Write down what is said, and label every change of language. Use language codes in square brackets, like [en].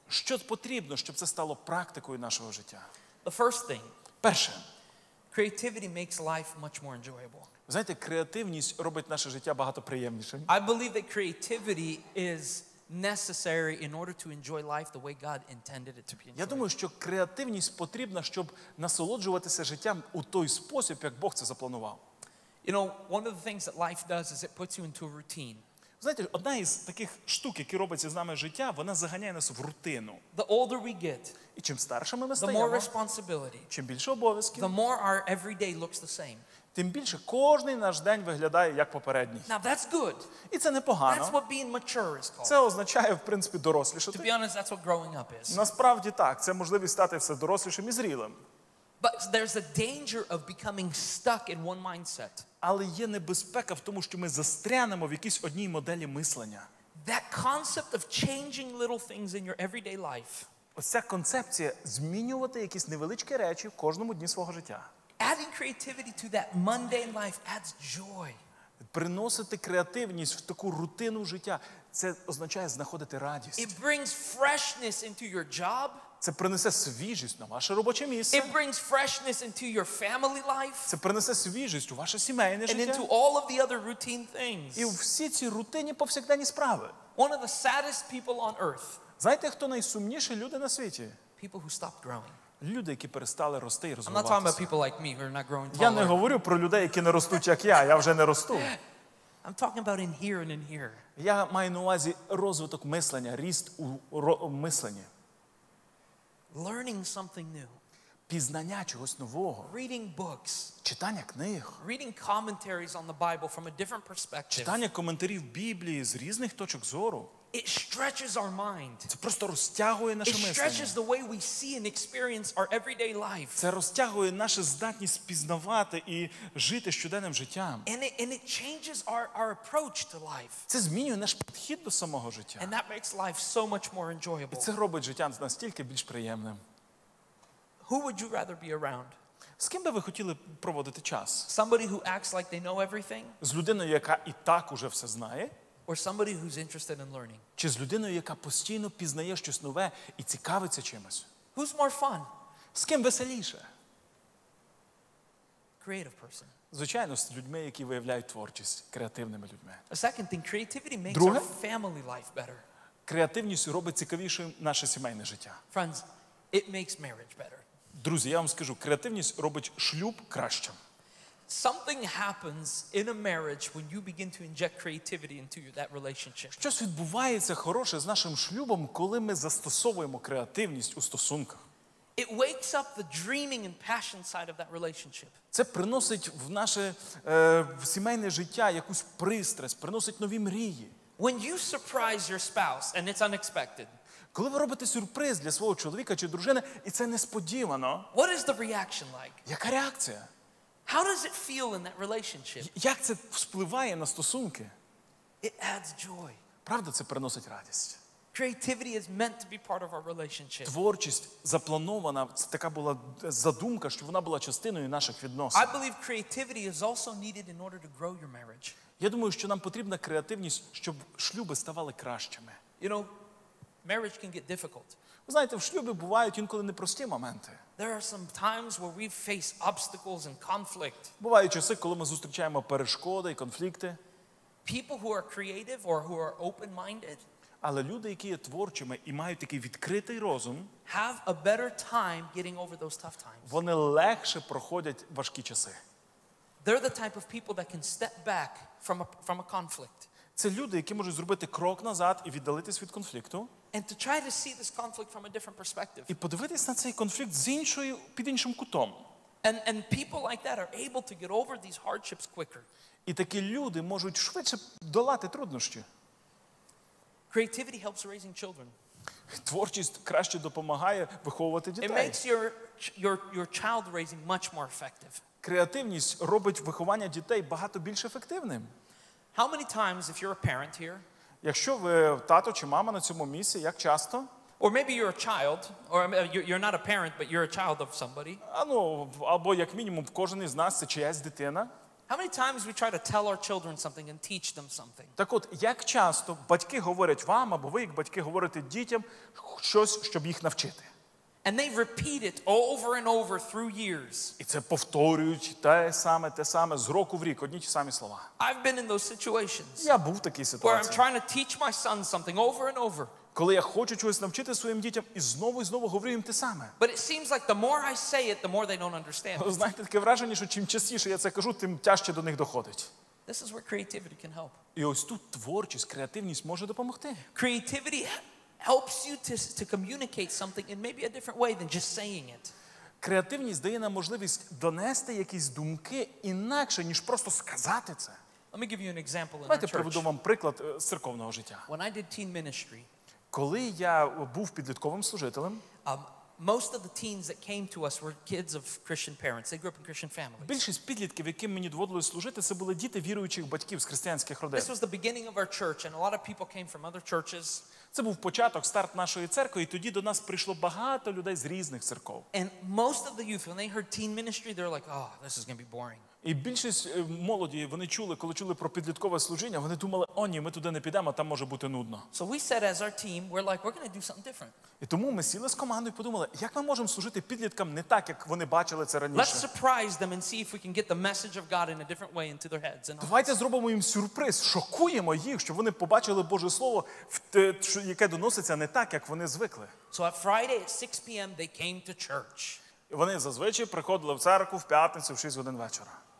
[uk] Що потрібно, щоб це стало практикою нашого життя? [en] The first thing. [uk] Перше. [en] Creativity makes life much more enjoyable. [uk] Знаєте, креативність робить наше життя багато приємнішим. [en] I believe that creativity is necessary in order to enjoy life the way God intended it to be enjoyed. [uk] Я думаю, що креативність потрібна, щоб насолоджуватися життям у той спосіб, як Бог це запланував. [en] You know, one of the things that life does is it puts you into a routine. [uk] Знаєте, одна із таких штук, які робиться з нами життя, вона заганяє нас в рутину. [en] The older we get, [uk] і чим старшими ми стаємо, [en] the more responsibility, [uk] чим більше обов'язків, [en] the more our everyday looks the same. [uk] Тим більше кожний наш день виглядає як попередній. [en] Now that's good. [uk] І це непогано. [en] That's what being mature is called. [uk] Це означає, в принципі, дорослішати. [en] To be honest, that's what growing up is. [uk] Насправді так, це можливість стати все дорослішим і зрілим. [en] But there's a danger of becoming stuck in one mindset. [uk] Але є небезпека в тому, що ми застрянемо в якійсь одній моделі мислення. [en] That concept of changing little things in your everyday life. [uk] Оця концепція змінювати якісь невеличкі речі в кожному дні свого життя. [en] Adding creativity to that mundane life adds joy. [uk] Приносити креативність в таку рутину життя, це означає знаходити радість. [en] It brings freshness into your job. [uk] Це принесе свіжість на ваше робоче місце. [en] It brings freshness into your family life. [uk] Це принесе свіжість у ваше сімейне життя. [en] And into all of the other routine things. [uk] І у всі ці рутинні повсякденні справи. [en] One of the saddest people on earth. [uk] Знаєте, хто найсумніші люди на світі? [en] People who stopped growing. [uk] Люди, які перестали рости і розвиватися. [en] I'm not talking about people like me who are not growing taller. [uk] Я не говорю про людей, які не ростуть, як я. Я вже не росту. [en] I'm talking about in here and in here. [uk] Я маю на увазі розвиток мислення, ріст у мисленні. [en] Learning something new. [uk] Пізнання чогось нового. [en] Reading books. [uk] Читання книг. [en] Reading commentaries on the Bible from a different perspective. [uk] Читання коментарів Біблії з різних точок зору. [en] It stretches our mind. [uk] Це просто розтягує наше мислення. [en] It stretches the way we see and experience our everyday life. [uk] Це розтягує нашу здатність пізнавати і жити щоденним життям. [en] And it changes our approach to life. [uk] Це змінює наш підхід до самого життя. [en] And that makes life so much more enjoyable. [uk] І це робить життя настільки більш приємним. [en] Who would you rather be around? [uk] З ким би ви хотіли проводити час? [en] Somebody who acts like they know everything? [uk] З людиною, яка і так уже все знає? [en] Or somebody who's interested in learning. [uk] Чи з людиною, яка постійно пізнає щось нове і цікавиться чимось? [en] Who's more fun? [uk] З ким веселіше? [en] Creative person. [uk] Звичайно, з людьми, які виявляють творчість, креативними людьми. [en] A second thing, creativity makes [uk] Друге? [en] Our family life better. [uk] Креативність робить цікавішим наше сімейне життя. [en] Friends, it makes marriage better. [uk] Друзі, я вам скажу, креативність робить шлюб кращим. [en] Something happens in a marriage when you begin to inject creativity into that relationship. [uk] Щось відбувається хороше з нашим шлюбом, коли ми застосовуємо креативність у стосунках. [en] It wakes up the dreaming and passion side of that relationship. [uk] Це приносить в наше в сімейне життя якусь пристрасть, приносить нові мрії. [en] When you surprise your spouse and it's unexpected. [uk] Коли ви робите сюрприз для свого чоловіка чи дружини, і це несподівано. [en] What is the reaction like? [uk] Яка реакція? [en] How does it feel in that relationship? [uk] Як це впливає на стосунки? [en] It adds joy. [uk] Правда, це приносить радість. [en] Creativity is meant to be part of our relationship. [uk] Творчість запланована, це така була задумка, щоб вона була частиною наших відносин. [en] I believe creativity is also needed in order to grow your marriage. [uk] Я думаю, що нам потрібна креативність, щоб шлюби ставали кращими. [en] You know, marriage can get difficult. [uk] Ви знаєте, в шлюбі бувають інколи непрості моменти. [en] There are some times where we face obstacles and conflict. [uk] Бувають часи, коли ми зустрічаємо перешкоди і конфлікти. [en] People who are creative or who are open-minded, [uk] але люди, які є творчими і мають такий відкритий розум, [en] have a better time getting over those tough times. [uk] Вони легше проходять важкі часи. [en] They're the type of people that can step back from a conflict. [uk] Це люди, які можуть зробити крок назад і віддалитись від конфлікту. [en] And to try to see this conflict from a different perspective. [uk] І подивитись на цей конфлікт з іншої, під іншим кутом. [en] And people like that are able to get over these hardships quicker. [uk] І такі люди можуть швидше долати труднощі. [en] Creativity helps raising children. [uk] Творчість краще допомагає виховувати дітей. [en] It makes your child raising much more effective. [uk] Креативність робить виховання дітей багато більш ефективним. [en] How many times if you're a parent here? [uk] Якщо ви тато чи мама на цьому місці, як часто? [en] Or maybe you're a child, or you're not a parent, but you're a child of somebody. [uk] Ну, або як мінімум кожен із нас це чиясь дитина. [en] How many times we try to tell our children something and teach them something? [uk] Так от, як часто батьки говорять вам, або ви як батьки говорите дітям щось, щоб їх навчити? [en] And they repeat it over and over through years. [uk] І це повторюють те саме з року в рік, одні ті самі слова. [en] I've been in those situations. [uk] Я був в такій ситуації. [en] Where I'm trying to teach my son something over and over. [uk] Коли я хочу чогось навчити своїм дітям і знову говорю їм те саме. [en] But it seems like the more I say it, the more they don't understand. [uk] Ви знаєте, таке враження, що чим частіше я це кажу, тим тяжче до них доходить. [en] This is where creativity can help. [uk] І ось тут творчість, креативність може допомогти. [en] Creativity helps you to communicate something in maybe a different way than just saying it. [uk] Креативність дає нам можливість донести якісь думки інакше, ніж просто сказати це. [en] Let me give you an example in our church. [uk] Давайте приведу вам приклад з церковного життя. [en] When I did teen ministry, [uk] коли я був підлітковим служителем, [en] most of the teens that came to us were kids of Christian parents. They grew up in Christian families. [uk] Більшість підлітків, яким мені доводилось служити, це були діти віруючих батьків з християнських родин. [en] This was the beginning of our church and a lot of people came from other churches. [uk] Це був початок, старт нашої церкви, і тоді до нас прийшло багато людей з різних церков. [en] And most of the youth when they heard teen ministry, they're like, "Oh, this is going to be boring." [uk] І більшість молоді, вони чули, коли чули про підліткове служіння, вони думали: "О, ні, ми туди не підемо, там може бути нудно." [en] So we said as our team, we're like, "We're going to do something different." [uk] І тому ми сіли з командою і подумали: "Як ми можемо служити підліткам не так, як вони бачили це раніше?" [en] Let's surprise them and see if we can get the message of God in a different way into their heads. [uk] Давайте зробимо їм сюрприз, шокуємо їх, щоб вони побачили Боже слово, яке доноситься не так, як вони звикли. [en] So on Friday at 6 p.m. they came to church. [uk] І вони зазвичай приходили в церкву в п'ятницю в 6 годин вечора.